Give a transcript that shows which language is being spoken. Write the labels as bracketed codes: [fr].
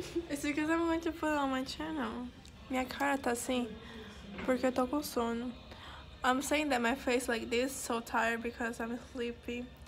[en] It's because I'm going to put it on my channel. [pt] Minha cara tá assim porque eu tô com sono. [en] I'm saying that my face like this, so tired because I'm sleepy.